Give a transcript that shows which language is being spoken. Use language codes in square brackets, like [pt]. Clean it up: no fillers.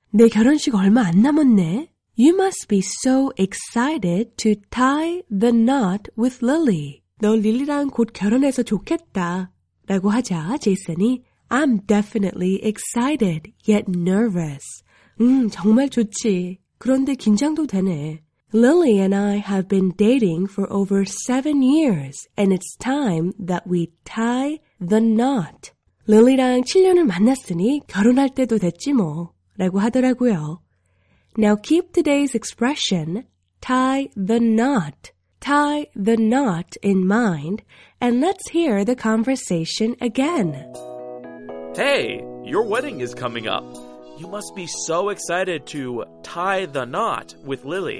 [ko] 내 결혼식 얼마 안 남았네. [en] You must be so excited to tie the knot with Lily. [ko] 너 릴리랑 곧 결혼해서 좋겠다. 라고 하자 제이슨이 [en] I'm definitely excited, yet nervous. [ko] 정말 좋지. 그런데 긴장도 되네. [en] Lily and I have been dating for over 7 years, and it's time that we tie the knot. [ko] Lily랑 7년을 만났으니 결혼할 때도 됐지 뭐, 라고 하더라고요. [en] Now keep today's expression, tie the knot, tie the knot in mind, and let's hear the conversation again. Hey, your wedding is coming up. You must be so excited to tie the knot with Lily.